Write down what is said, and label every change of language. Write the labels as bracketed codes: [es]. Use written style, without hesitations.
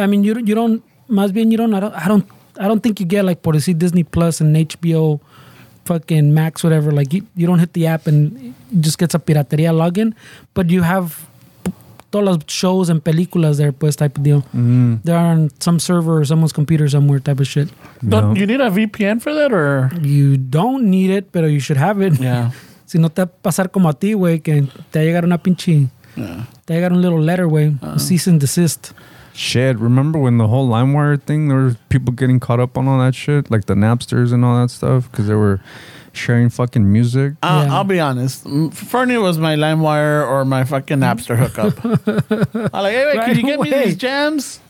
[en] Yeah, I mean, you don't, must be, you don't, I don't think you get like [es] por decir [en] Disney Plus and HBO fucking Max, whatever, like you don't hit the app and it just gets a pirateria login, but you have all the shows and [es] películas [en] there, [es] pues, [en] type of deal. Mm. They're on some server or someone's computer somewhere type of shit. Don't you need a VPN for that, or? You don't need it, [es] pero [en] you should have it. Yeah. [es] Si no te pasar como a ti, güey, que te llegaron una pinche. [en] Yeah. [es] Te llegaron a [en] little letter, [es] güey. [en] Cease and desist. Shit, remember when the whole LimeWire thing, there were people getting caught up on all that shit, like the Napsters and all that stuff, because they were sharing fucking music. I'll be honest. Fernie was my LimeWire or my fucking Napster hookup. I'm like, hey, wait, can you get me these jams?